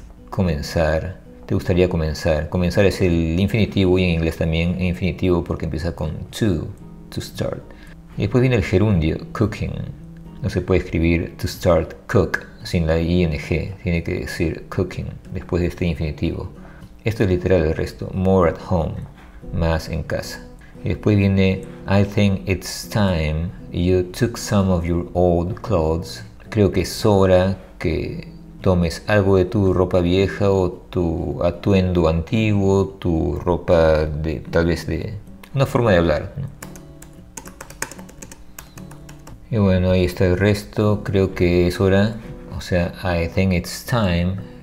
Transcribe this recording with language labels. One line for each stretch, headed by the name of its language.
Spanish: Comenzar, te gustaría comenzar. Comenzar es el infinitivo y en inglés también en infinitivo porque empieza con
English: to start.
Spanish: Y después viene el gerundio, cooking. No se puede escribir
English: to start cook
Spanish: sin la ing, tiene que decir cooking después de este infinitivo. Esto es literal el resto,
English: more at home,
Spanish: más en casa. Y después viene,
English: I think it's time you took some of your old clothes.
Spanish: Creo que es hora que tomes algo de tu ropa vieja o tu atuendo antiguo, tu ropa de, tal vez de, una forma de hablar, ¿no? Y bueno, ahí está el resto, creo que es hora, o sea,
English: I think it's time.